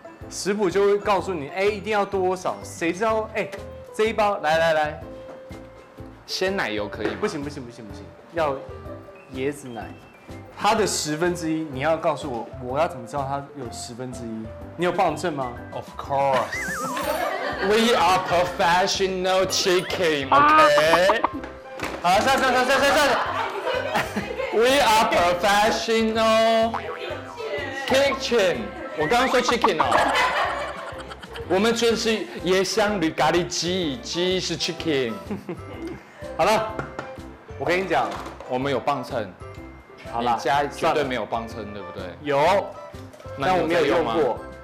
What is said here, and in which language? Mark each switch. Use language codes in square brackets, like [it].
[zh] 食谱就会告诉你，哎，一定要多少，谁知道？哎，这一包，来来来，鲜奶油可以吗？不行不行不行不行，要椰子奶。它的1/10，你要告诉我，我要怎么知道它有1/10？你有磅秤吗 [en] ？Of course, we are professional chicken, OK？ [zh] 好了，上上上上上上。 [en] We are professional kitchen。 [zh] 我刚刚说 chicken 哦。我们就是椰香绿咖喱鸡，鸡是 chicken。好了，我跟你讲，我们有磅秤。好啦，你家绝对没有磅秤，对不对？有，那有，但我没有用过。